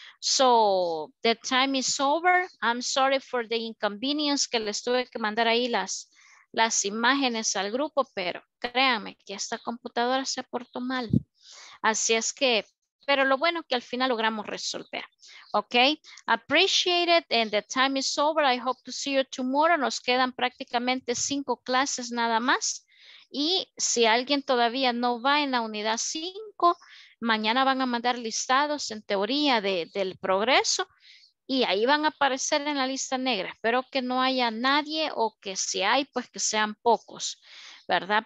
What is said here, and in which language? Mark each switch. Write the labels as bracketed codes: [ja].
[en] So, the time is over. I'm sorry for the inconvenience [es] que les tuve que mandar ahí las imágenes al grupo, pero créanme que esta computadora se portó mal. Así es que, pero lo bueno es que al final logramos resolver. [en] Ok, appreciate it and the time is over. I hope to see you tomorrow. [es] Nos quedan prácticamente 5 clases nada más. Y si alguien todavía no va en la unidad 5, mañana van a mandar listados en teoría del progreso. Y ahí van a aparecer en la lista negra. Espero que no haya nadie o que si hay, pues que sean pocos, ¿verdad?